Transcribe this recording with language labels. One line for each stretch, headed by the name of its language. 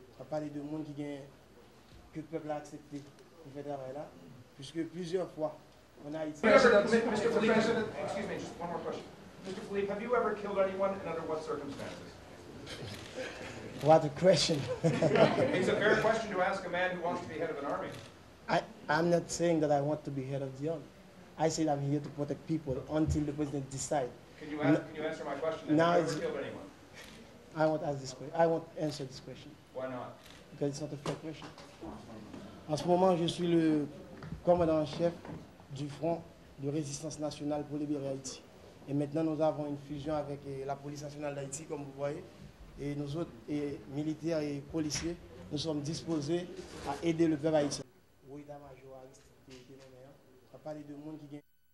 French: Parler de monde qui gagne, que le peuple a accepté pour faire travail là, puisque plusieurs fois on a été.
English: Mr. President, excuse me, just one more question. Mr. Philippe, have you ever killed anyone and under what circumstances? What a question. It's a fair question to ask a man who wants to be head of an army. I'm not saying that I want to be head of the army. I said I'm here to protect people until the president decides. Can you answer my question? Now have you ever killed anyone? I won't ask this question. I won't answer this question. Why not? Because it's not a fair question.
French: En ce moment, je suis le commandant en chef du Front de Résistance Nationale pour libérer Haïti. Et maintenant, nous avons une fusion avec la police nationale d'Haïti, comme vous voyez. Et nous autres, et militaires et policiers, nous sommes disposés à aider le peuple haïtien. Oui, dame, je vais parler de monde qui gagne.